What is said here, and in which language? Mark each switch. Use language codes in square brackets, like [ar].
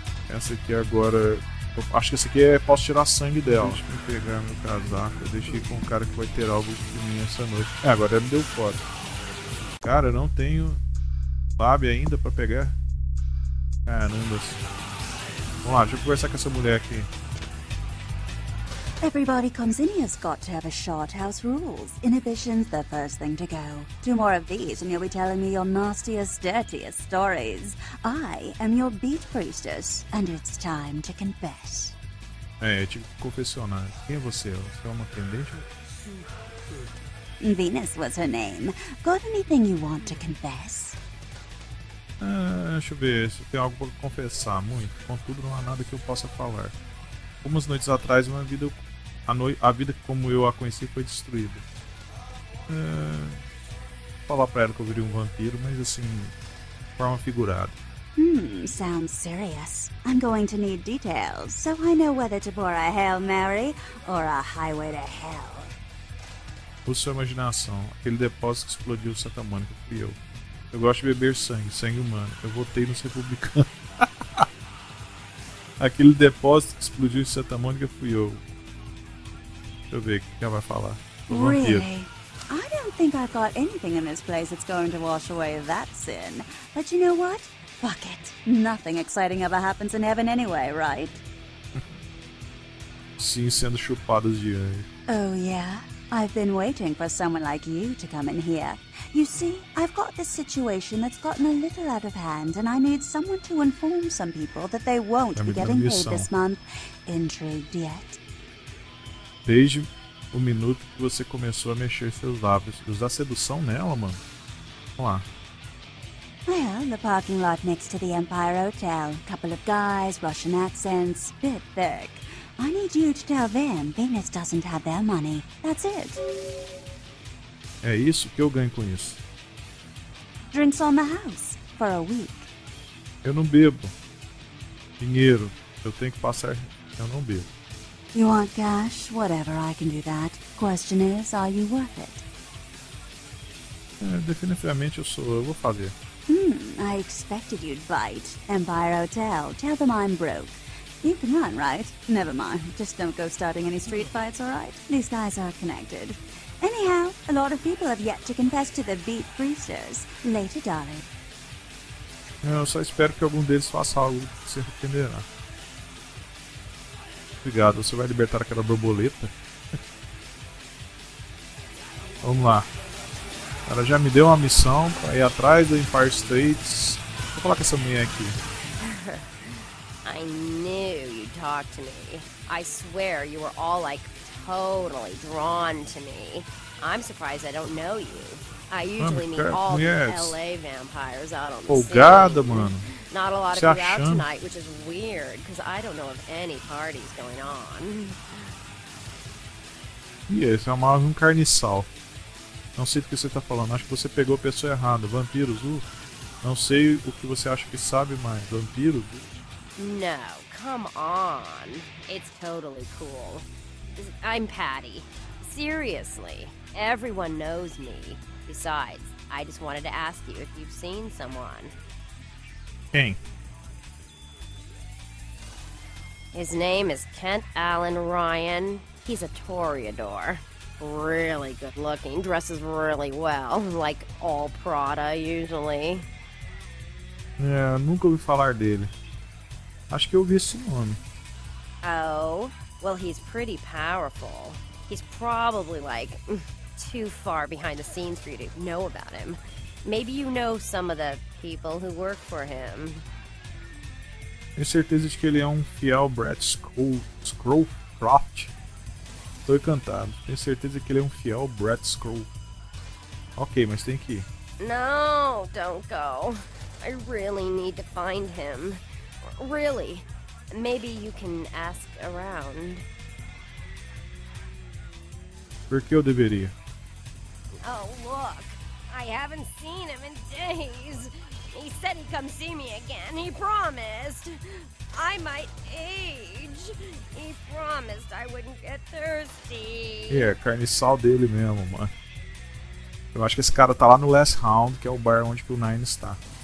[pt] Essa aqui agora. Eu acho que essa aqui é. Posso tirar sangue dela. Deixa eu pegar meu casaco. Eu deixei com um cara que vai ter algo de mim essa noite. É, agora me deu foda. Cara, eu não tenho Babi ainda pra pegar. Caramba. Vamos lá, deixa eu conversar com essa mulher aqui. [en] Everybody comes in has got to have a shot. House rules. Inhibition's the first thing to go. Two more of these and you'll be telling me your nastiest, dirtiest stories. I am your beat priestess and it's time to confess. [pt] É, eu tive que confessionar. Quem é você? Você é uma atendente? [en] Venus was her name. Got anything you want to confess? [pt] Deixa eu ver se tem algo pra confessar. Muito. Contudo, não há nada que eu possa falar. Umas noites atrás, uma vida. A vida como eu a conheci foi destruída. Vou falar pra ela que eu virei um vampiro, mas assim, de forma figurada. [en] Sounds serious. I'm going to need details, so I know whether to pour a Hail Mary or a Highway to Hell. [pt] Use sua imaginação. Aquele depósito que explodiu Santa Mônica fui eu. Eu gosto de beber sangue, sangue humano. Eu votei nos republicanos. Aquele depósito que explodiu em Santa Mônica fui eu. Deixa eu ver o que ela vai falar. [en] I don't think I've got anything in this place that's going to wash away that sin. But you know what? Fuck it. Nothing exciting ever happens in heaven anyway, right? [pt] Sim, sendo chupadas de anjo. [en] Oh yeah? I've been waiting for someone like you to come in here. You see, I've got this situation that's gotten a little out of hand, and I need someone to inform some people that they won't be getting paid this month. Intrigued yet? [pt] Desde o minuto que você começou a mexer seus lábios. Usar sedução nela, mano? Vamos lá. [en] Well, the parking lot next to the Empire Hotel. Couple of guys, Russian accents, bit thick. I need you to tell them Venus doesn't have their money. That's it. [pt] É isso que eu ganho com isso. [en] Drinks on the house for a week. [pt] Eu não bebo. Dinheiro. Eu tenho que passar. Eu não bebo. [en] You want cash? Whatever, I can do that. Question is, are you worth it? [pt] É, definitivamente eu sou. Eu vou fazer. [en] I expected you'd bite. Empire Hotel. Tell them I'm broke. You can run, right? Never mind. Just don't go starting any street fights, all right? These guys are connected. Anyhow, a lot of people have yet to confess to the beat freezers. Later, darling. [pt] Eu só espero que algum deles faça algo que se arrependerá. Obrigado. Você vai libertar aquela borboleta? Vamos lá. O cara já me deu uma missão pra ir atrás do Empire State. Vou colocar essa mulher aqui. [en] I knew you'd talk to me. I swear you were all like totally drawn to me. I'm surprised I don't know you. I usually meet all the LA vampires out on the city. [pt] Mano. [en] Not a lot of you out tonight, which is weird, because I don't know of any parties going on. Yes, [pt] é mais um carniçal. Não sei do que você tá falando. Acho que você pegou a pessoa errada. Vampiros, não sei o que você acha que sabe mais. Vampiros? [en] No, come on. It's totally cool. I'm Patty. Seriously, everyone knows me. Besides, I just wanted to ask you if you've seen someone. [pt] Quem? [en] His name is Kent Allen Ryan. He's a toreador. Really good looking, dresses really well, like all Prada usually. [pt] É, nunca ouvi falar dele. Acho que eu ouvi esse nome. [en] Oh, well, he's pretty powerful. He's probably like too far behind the scenes for you to know about him. Maybe you know some of the people who work for him. [pt] Tenho certeza de que ele é um fiel Brett Scrollcroft. Tô encantado. Tenho certeza que ele é um fiel Brett Scroll. Ok, mas tem que ir. [en] No, don't go. I really need to find him. Really? Maybe you can ask around. [pt] Por que eu deveria? [en] Oh, look. I haven't seen him in days. He said he'd come see me again. He promised. I might age. He promised I wouldn't get thirsty. [pt] É, carniçal dele mesmo, mano. Eu acho que esse cara tá lá no Last Round, que é o bar onde o Nine está.